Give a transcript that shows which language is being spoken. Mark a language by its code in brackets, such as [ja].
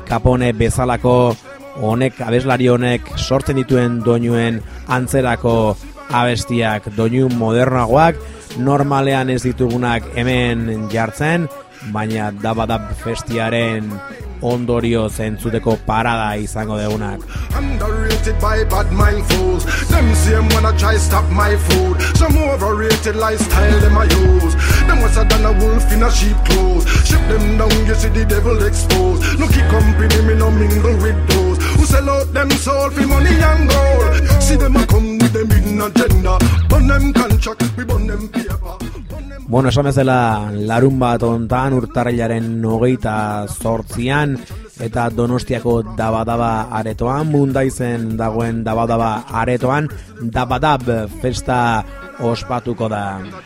[eu] Capone bezalako honek, abeslari honek sortzen dituen doinuen antzerako abestiak, doinu modernagoak, normalean ez ditugunak hemen jartzen, baina Dabadab festiaren ondorio zentzuteko parada izango degunak. [en] Underrated by bad mind fools. Them same wanna try stop my food. Some overrated lifestyle them I use. Them was a done a wolf in a sheep clothes. Ship them down, you see the devil exposed. No key company, me no mingle with those who sell out them soul for money and gold. See them a come with them in agenda. Burn them contract, we burn them paper. [eu] Bueno, esan bezala, larun bat ontan, urtarrilaren 28an, eta Donostiako Dabadaba aretoan, Mundaizen dagoen Dabadaba aretoan, Dabadab festa ospatuko da.